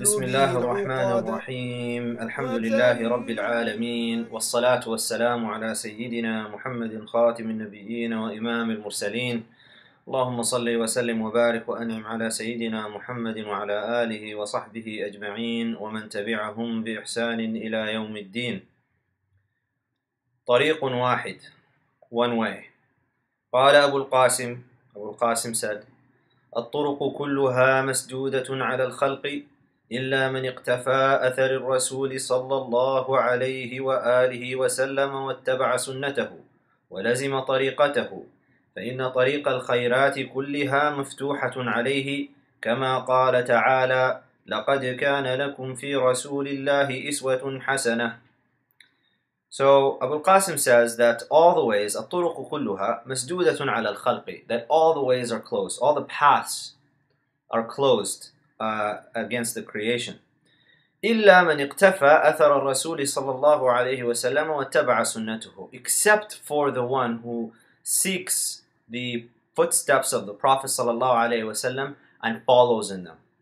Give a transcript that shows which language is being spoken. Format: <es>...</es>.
<ar>بسم الله الرحمن الرحيم الحمد لله رب العالمين والصلاة والسلام على سيدنا محمد خاتم النبيين وإمام المرسلين اللهم صل وسلم وبارك وأنعم على سيدنا محمد وعلى آله وصحبه أجمعين ومن تبعهم بإحسان إلى يوم الدين. طريق واحد,</ar> <en>one way.</en> <ar>قال أبو القاسم said, الطرق كلها مسدودة على الخلق إلا من اقتفى أثر الرسول صلى الله عليه وآله وسلم واتبع سنته ولزم طريقته, فإن طريق الخيرات كلها مفتوحة عليه, كما قال تعالى, لقد كان لكم في رسول الله أسوة حسنة.</ar> <en>So Abu al-Qasim says that all the ways,</en> <ar>الطرق كلها مسدودة على الخلق,</ar> <en>that all the ways are closed, all the paths are closed against the creation.</en> <ar>إلا من اقتفى أثر الرسول صلى الله عليه وسلم واتبع سنته,</ar> <en>except for the one who seeks the footsteps of the Prophet sallallahu alaihi wasallam and follows in them.</en>